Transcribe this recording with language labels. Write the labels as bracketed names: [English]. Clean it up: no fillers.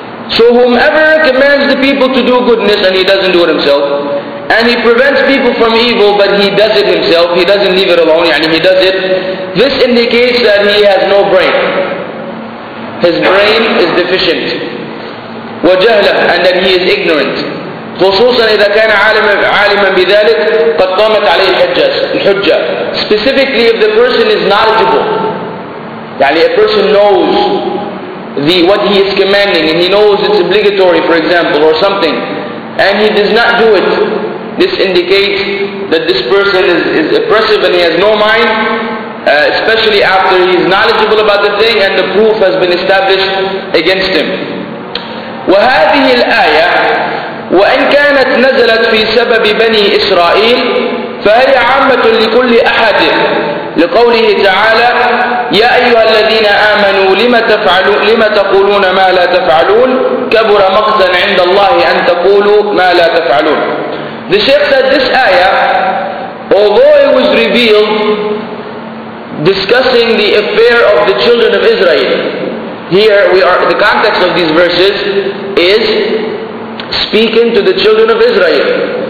[English] So whomever commands the people to do goodness and he doesn't do it himself, and he prevents people from evil but he does it himself, he doesn't leave it alone, yani he does it, this indicates that he has no brain. his brain is deficient. وجهله, and that he is ignorant. [Arabic] خصوصا إذا كان عالما بذلك قد قامت عليه الحجة. [English] Specifically if the person is knowledgeable, يعني a person knows the what he is commanding and he knows it's obligatory, for example, or something, and he does not do it, this indicates that this person is oppressive and he has no mind, especially after he is knowledgeable about the thing and the proof has been established against him. [Arabic] وهذه الآية وإن كانت نزلت في سبب بني إسرائيل فهي عامة لكل أحد, لقوله تعالى يا أيها الذين آمنوا لما تقولون ما لا تفعلون كبر مقتا عند الله أن تقولوا ما لا تفعلون. [English] The Sheikh said this ayah, although it was revealed discussing the affair of the children of Israel, here we are, the context of these verses is speaking to the children of Israel.